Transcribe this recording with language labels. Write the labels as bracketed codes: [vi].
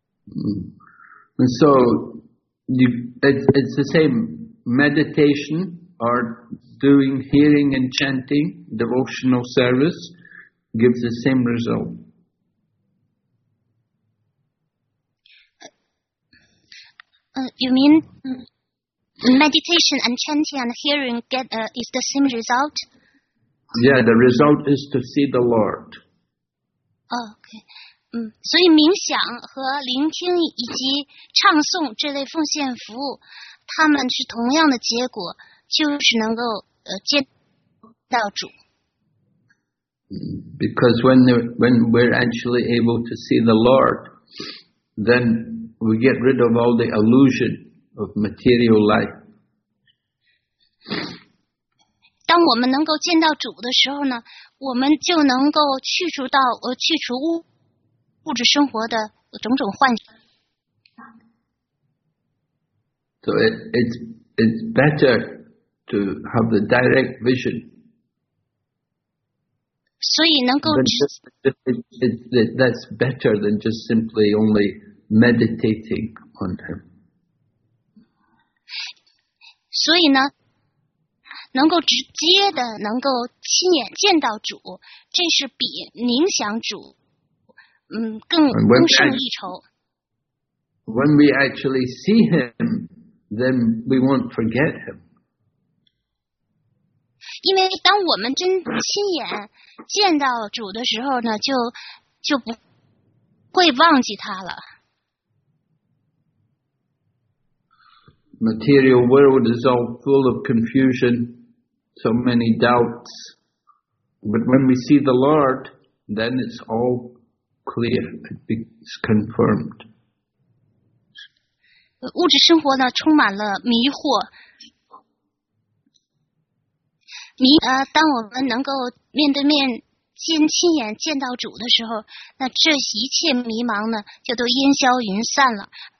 [en] And so, it's the same meditation or doing hearing and chanting, devotional service, gives the same result. You mean meditation and chanting and hearing get is the same result? Yeah, the result is to see the Lord. Okay. [zh] 所以冥想和聆听以及唱诵这类奉献服务，他们是同样的结果，就是能够见到主。 [en] Because when we're actually able to see the Lord, then we get rid of all the illusion of material life. [zh] 当我们能够见到主的时候呢，我们就能够去除物质生活的种种幻想。 [en] So it's better to have the direct vision. [zh] 所以能够 [en] that's better than just simply only meditating on him. [zh] 所以呢，能够直接的能够亲眼见到主，这是比冥想主。更胜一筹。 [en] When we actually see him, then we won't forget him. [zh] 因为当我们真亲眼见到主的时候呢，就不会忘记他了。 [en] Material world is all full of confusion, so many doubts. But when we see the Lord, then it's all clear, it's confirmed. [zh] 物质生活呢充满了迷惑。当我们能够面对面亲眼见到主的时候，那这一切迷茫呢就都烟消云散了。